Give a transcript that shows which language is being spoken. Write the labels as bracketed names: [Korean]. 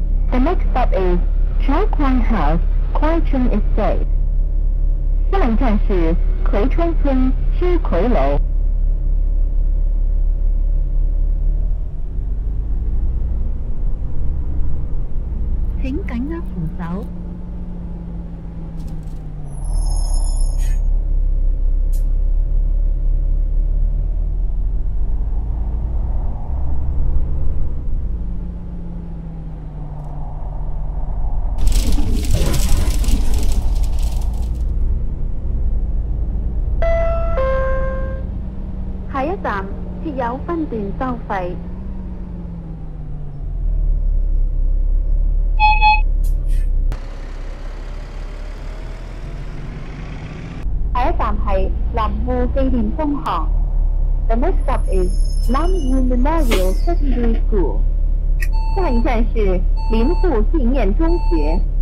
[English] The next stop is Chai Kwan House, Kwai Chung Estate. [Chinese] 下一站是葵川村之葵楼。请紧握扶手。下一站设有分段收费。下一站是林户纪念中学。 [English] The next stop is 林户 Memorial Secondary School。 [Chinese] 下一站是林户纪念中学。